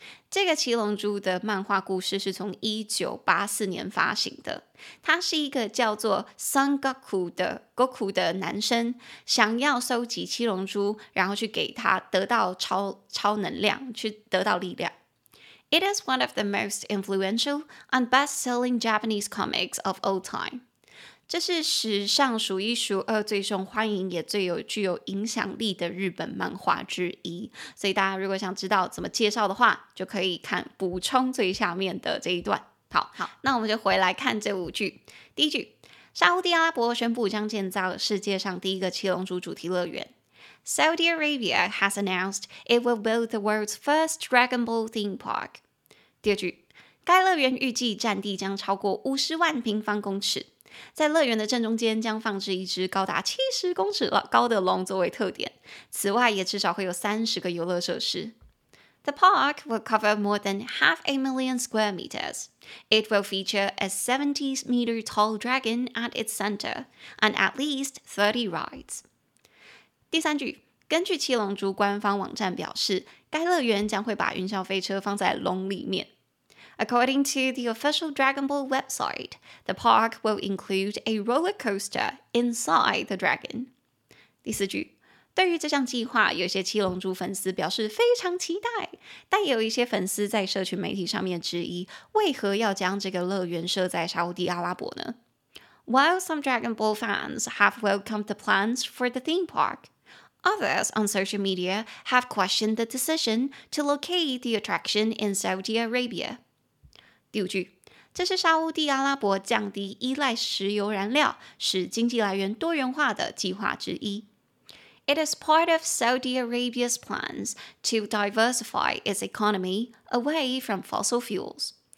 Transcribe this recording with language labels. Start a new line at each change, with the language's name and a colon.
Chinese: 这个七龙珠的漫画故事是从1984年发行的，他是一个叫做 Son Goku 的 Goku 的男生，想要收集七龙珠，然后去给他得到超能量，去得到力量。
English: It is one of the most influential and best-selling Japanese comics of all time.
Chinese: 这是史上数一数二最受欢迎也最有具有影响力的日本漫画之一。所以大家如果想知道怎么介绍的话，就可以看补充最下面的这一段。好，好，那我们就回来看这五句。第一句，沙地阿拉伯宣布将建造世界上第一个七龙珠主题乐园。
English: Saudi Arabia has announced it will build the world's first Dragon Ball theme park.
Chinese: 第二句，该乐园预计占地将超过50万平方公尺。在乐园的正中间将放置一只高达70公尺高的龙作为特点。此外也至少会有30个游乐设施。
English: The park will cover more than 500,000 square meters. It will feature a 70-meter tall dragon at its center and at least 30 rides.
Chinese: 第三句，根据七龙珠官方网站表示，该乐园将会把云霄飞车放在龙里面。
English: According to the official Dragon Ball website, the park will include a roller coaster inside the dragon.
Chinese: 第四句，对于这项计划，有些七龙珠粉丝表示非常期待，但有一些粉丝在社群媒体上面质疑，为何要将这个乐园设在沙特阿拉伯呢？
English: While some Dragon Ball fans have welcomed the plans for the theme park, others on social media have questioned the decision to locate the attraction in Saudi Arabia.
Chinese: 第五句，这是沙特阿拉伯降低依赖石油燃料，使经济来源多元化的计划之一。
English: It is part of Saudi Arabia's plans to diversify its economy away from fossil fuels.